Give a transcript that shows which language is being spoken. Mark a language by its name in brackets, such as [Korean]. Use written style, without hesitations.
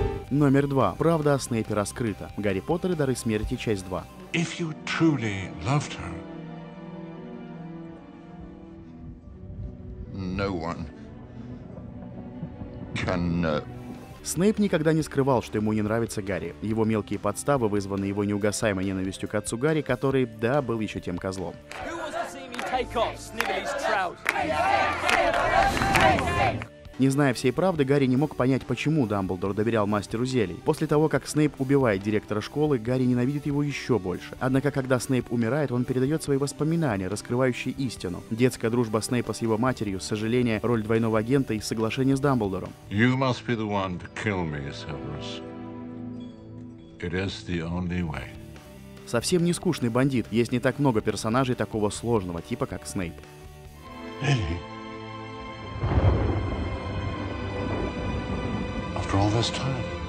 [Russian] Номер 2. Правда о Снейпе раскрыта. Гарри Поттер и Дары Смерти, часть 2. [English] If you truly loved her, no one can know. [Russian] Снейп никогда не скрывал, что ему не нравится Гарри. Его мелкие подставы вызваны его неугасаемой ненавистью к отцу Гарри, который, да, был еще тем козлом. Не зная всей правды, Гарри не мог понять, почему Дамблдор доверял мастеру зелий. После того, как Снейп убивает директора школы, Гарри ненавидит его еще больше. Однако, когда Снейп умирает, он передает свои воспоминания, раскрывающие истину. Детская дружба Снейпа с его матерью, сожаление, роль двойного агента и соглашение с Дамблдором. [English] You must be the one to kill me, Severus. It is the only way. [Russian] Совсем не скучный бандит, есть не так много персонажей такого сложного типа, как Снейп. Эли. [English] After all this time.